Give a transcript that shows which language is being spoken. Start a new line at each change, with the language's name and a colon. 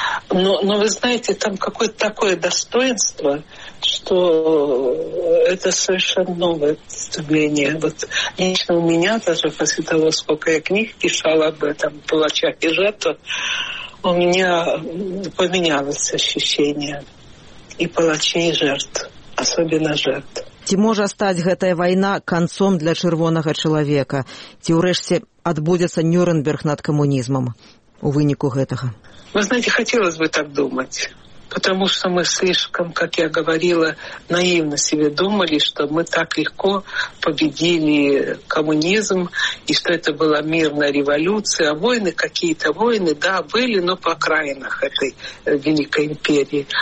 Russian: Но вы знаете, там какое-то такое достоинство, что это совершенно новое представление. Вот лично у меня, даже после того, сколько я книг писала об этом, «Палачах и жертвах», у меня поменялось ощущение. И палачей, и жертв. Особенно жертв.
Belarusian: Ти можа стаць гэтая вайна канцом для чырвонага чалавека? Ці ўрэшце адбудзецца Нюрнберг над камунізмам у выніку гэтага?
Russian: Вы знаете, хотелось бы так думать. Потому что мы слишком, как я говорила, наивно себе думали, что мы так легко победили коммунизм, и что это была мирная революция. Войны, какие-то войны, да, были, но по окраинах этой великой империи.